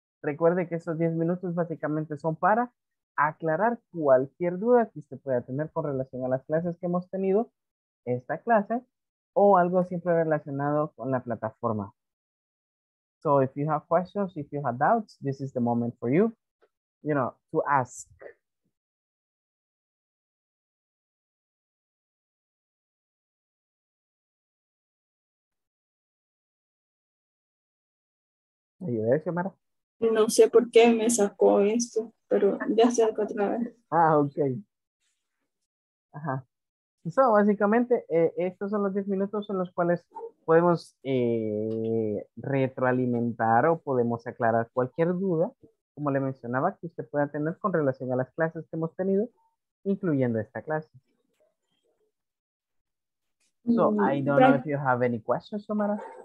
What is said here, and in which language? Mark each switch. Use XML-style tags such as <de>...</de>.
<es>Recuerde que esos 10 minutos básicamente son para aclarar cualquier duda que usted pueda tener con relación a las clases que hemos tenido, esta clase, o algo siempre relacionado con la plataforma.</es> <en>So, if you have questions, if you have doubts, this is the moment for you, you know, to ask.</en> <es>¿Ayudé, Xiomara? No sé por qué me sacó esto, pero ya salgo otra vez. Ah, ok. Ajá. So, básicamente, estos son los 10 minutos en los cuales podemos retroalimentar o podemos aclarar cualquier duda, como le mencionaba, que usted pueda tener con relación a las clases que hemos tenido, incluyendo esta clase.</es> <en>So, I don't know if you have any questions, Omar.</en>